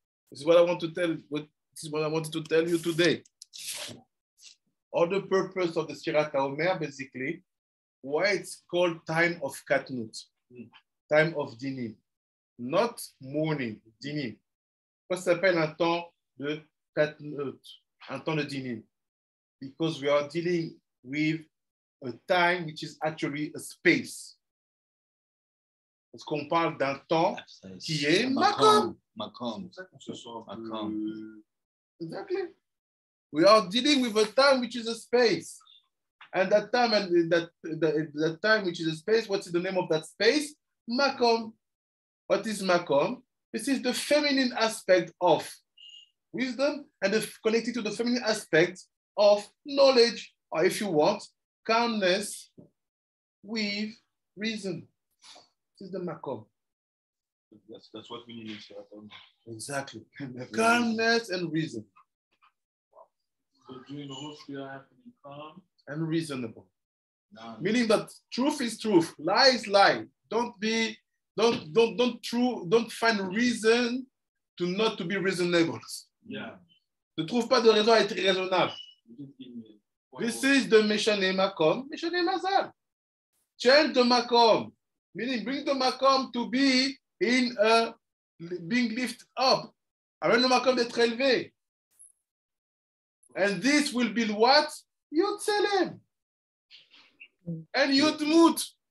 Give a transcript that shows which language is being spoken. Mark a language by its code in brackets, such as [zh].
[en] This is what I wanted to tell you today. All the purpose of the Shirat HaOmer, basically, why it's called time of Katnut, time of Dinim, not mourning, Dinim. What's happened at temps de Katnut, at temps de Dinim? Because we are dealing with a time which is actually a space. [fr] Parce qu'on parle d'un temps qui est MaKom. [he] MaKom. [en] Exactly. We are dealing with a time which is a space. And that time and that time which is a space, what's the name of that space? MaKom. What is MaKom? This is the feminine aspect of wisdom and connected to the feminine aspect of knowledge, or if you want, calmness with reason. This is the MaKom. That's what we need in Shabbat. Exactly. Calmness and reason. So during the whole spirit, I have to be calm. and reasonable. None. Meaning that truth is truth, lie is lie. Don't find reason to not to be reasonable. Yeah. [fr] Ne trouve pas de raison à être raisonnable. [en] This is the mission in MaKom, mission in Mazal. Change the MaKom, meaning bring the MaKom to be in a being lifted up. [fr] Amène le MaKom d'être élevé. [en] And this will be what? Yud Tselem. And Yud Mut.